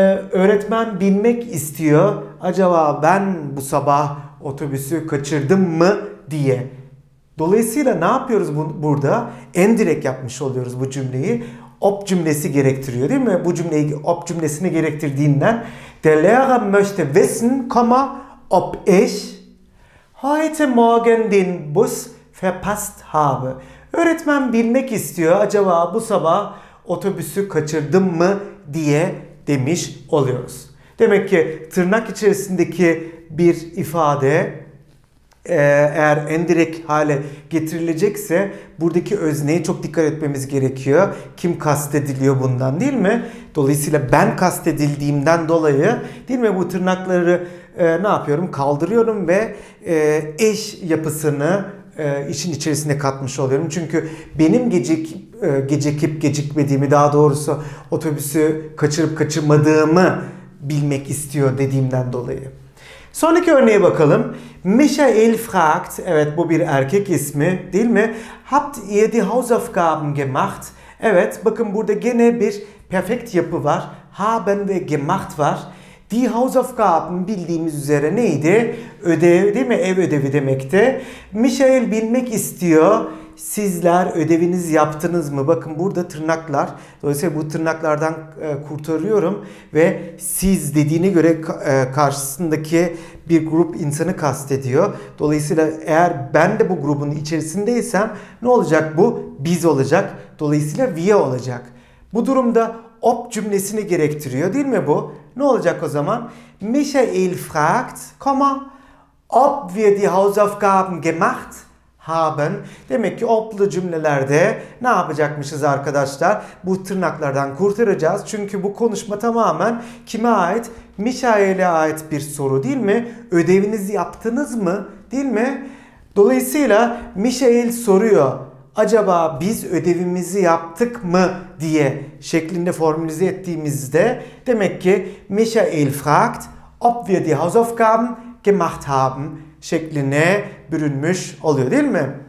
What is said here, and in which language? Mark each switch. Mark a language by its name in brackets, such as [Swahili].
[Turkish] Öğretmen bilmek istiyor. Acaba ben bu sabah otobüsü kaçırdım mı diye. Dolayısıyla ne yapıyoruz burada? En direkt yapmış oluyoruz bu cümleyi. Ob cümlesi gerektiriyor değil mi? Bu cümleyi ob cümlesini gerektirdiğinden. [German] Der Lehrer möchte wissen, ob ich heute morgen den Bus verpasst habe. [Turkish] Öğretmen bilmek istiyor. Acaba bu sabah otobüsü kaçırdım mı diye demiş oluyoruz. Demek ki tırnak içerisindeki bir ifade eğer endirek hale getirilecekse buradaki özneye çok dikkat etmemiz gerekiyor. Kim kastediliyor bundan değil mi? Dolayısıyla ben kastedildiğimden dolayı değil mi bu tırnakları ne yapıyorum? Kaldırıyorum ve eş yapısını işin içerisine katmış oluyorum. Çünkü benim gecikip gecikmediğimi, daha doğrusu otobüsü kaçırıp kaçırmadığımı bilmek istiyor dediğimden dolayı. Sonraki örneğe bakalım. [German] Michael fragt, [Turkish] evet bu bir erkek ismi değil mi? [German] Habt ihr die Hausaufgaben gemacht? [Turkish] Evet, bakın burada gene bir perfekt yapı var. Haben ve gemacht var. Die Hausaufgaben bildiğimiz üzere neydi? Ödev değil mi? Ev ödevi demekti. Michael bilmek istiyor. Sizler ödeviniz yaptınız mı? Bakın burada tırnaklar. Dolayısıyla bu tırnaklardan kurtarıyorum. Ve siz dediğine göre karşısındaki bir grup insanı kastediyor. Dolayısıyla eğer ben de bu grubun içerisindeysem ne olacak bu? Biz olacak. Dolayısıyla wir olacak. Bu durumda ob cümlesini gerektiriyor değil mi bu? Ne olacak o zaman? [German] Michael fragt, ob wir die Hausaufgaben gemacht haben. [Turkish] Demek ki oblu cümlelerde ne yapacakmışız arkadaşlar? Bu tırnaklardan kurtaracağız. Çünkü bu konuşma tamamen kime ait? Michael'e ait bir soru değil mi? Ödevinizi yaptınız mı? Değil mi? Dolayısıyla Michael soruyor. Acaba biz ödevimizi yaptık mı diye şeklinde formülize ettiğimizde demek ki [German] Michael fragt, ob wir die Hausaufgaben gemacht haben [Turkish] şekline bürünmüş oluyor değil mi?